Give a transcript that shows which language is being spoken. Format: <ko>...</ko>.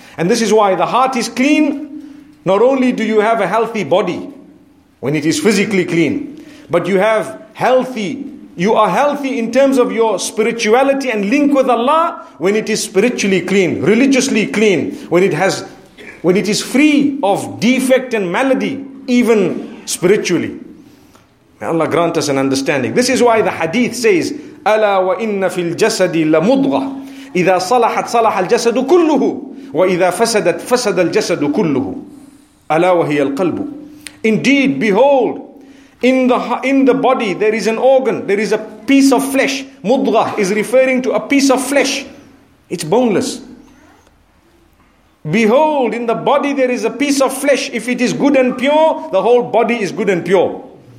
<en>And this is why the heart is clean. Not only do you have a healthy body when it is physically clean, but you have healthy, you are healthy in terms of your spirituality and link with Allah when it is spiritually clean, religiously clean, when it is free of defect and malady, even spiritually. May Allah grant us an understanding. This is why the hadith says,</en> <ar>أَلَا وَإِنَّ فِي الْجَسَدِ لَمُضْغَةٌ إِذَا صَلَحَتْ صَلَحَ الْجَسَدُ كُلُّهُ وَإِذَا فَسَدَتْ فَسَدَ الْجَسَدُ كُلُّهُ أَلَا وَهِيَ الْقَلْبُ.</ar> <en>Indeed, behold, in the body there is an organ, there is a piece of flesh. مُضْغَةٌ is referring to a piece of flesh. It's boneless. Behold, in the body there is a piece of flesh. If it is good and pure, the whole body is good and pure.</en>